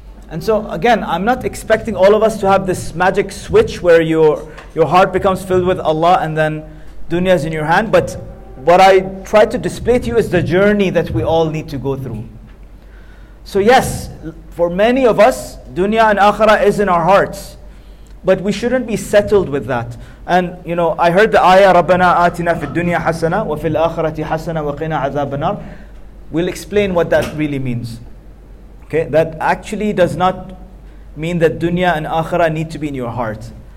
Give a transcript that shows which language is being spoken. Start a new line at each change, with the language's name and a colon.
English: And so again, I'm not expecting all of us to have this magic switch where your heart becomes filled with Allah and then dunya is in your hand. But what I try to display to you is the journey that we all need to go through. So yes, for many of us, dunya and akhirah is in our hearts. But we shouldn't be settled with that. And you know, I heard the ayah,
Arabic: رَبَّنَا آتِنَا فِي الدُّنْيَا حَسَنَةً وَفِي الْآخِرَةِ حَسَنَةً وَقِنَا عَذَابَ النَّارِ.
English: We'll explain what that really means. Okay, that actually does not mean that dunya and akhirah need to be in your heart.